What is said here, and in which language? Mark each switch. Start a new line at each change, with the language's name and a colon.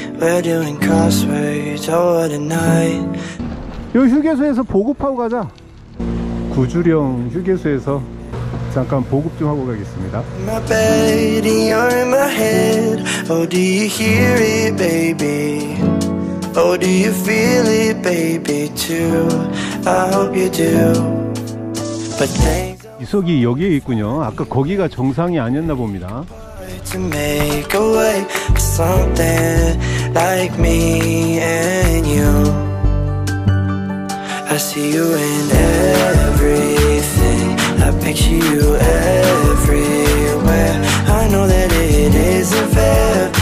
English: We're doing crossways over the night.
Korean: 여기 휴게소에서 보급하고 가자. 구주령 휴게소에서 잠깐 보급 좀 하고 가겠습니다.
English: My bed, you're in my head. Oh, do you hear it, baby? Oh, do you feel it, baby, too? I hope you do.
Korean: 이석이 여기에 있군요. 아까 거기가 정상이 아니었나 봅니다.
English: To make a way for something like me and you. I see you in everything. I picture you everywhere. I know that it isn't fair.